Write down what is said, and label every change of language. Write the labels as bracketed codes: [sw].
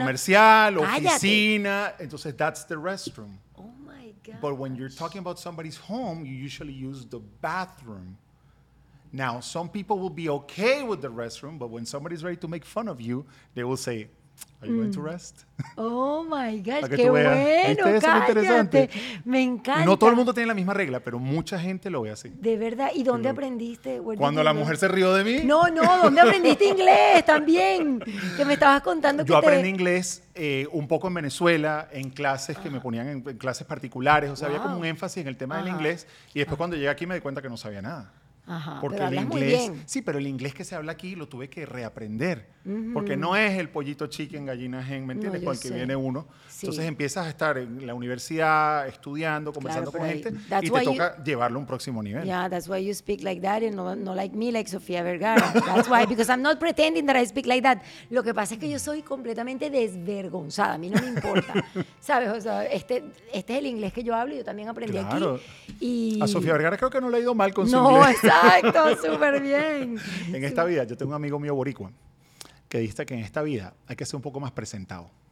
[es] comercial, oficina. Entonces, [en] that's the restroom. Oh, my God. But when you're talking about somebody's home, you usually use the bathroom. Now, some people will be okay with the restroom, but when somebody's ready to make fun of you, they will say, are you going to rest? Oh my gosh, [es] qué bueno, cállate. Me encanta. No todo el mundo tiene la misma regla, pero mucha gente lo ve así. De verdad, ¿y dónde aprendiste? Cuando la mujer se rió de mí. No, ¿dónde aprendiste inglés también? Que me estabas contando. Yo aprendí inglés un poco en Venezuela, en clases que me ponían en clases particulares. O sea, había como un énfasis en el tema del inglés. Y después cuando llegué aquí me di cuenta que no sabía nada. Ajá, porque el inglés, muy bien. Sí, pero el inglés que se habla aquí lo tuve que reaprender, uh-huh. porque no es el pollito chicken, gallina hen, ¿me entiendes? No, con el que viene uno. Sí. Entonces empiezas a estar en la universidad, estudiando, conversando con gente, y te toca llevarlo a un próximo nivel. [en] Yeah, that's why you speak like that, and no like me, like Sofía Vergara. That's why, because I'm not pretending that I speak like that. [es] Lo que pasa es que yo soy completamente desvergonzada, a mí no me importa. ¿Sabes? O sea, este es el inglés que yo hablo, y yo también aprendí aquí. Claro. Y... A Sofía Vergara creo que no le ha ido mal con no, su inglés. Exacto, súper bien. En esta vida, yo tengo un amigo mío boricua que dice que en esta vida hay que ser un poco más presentado.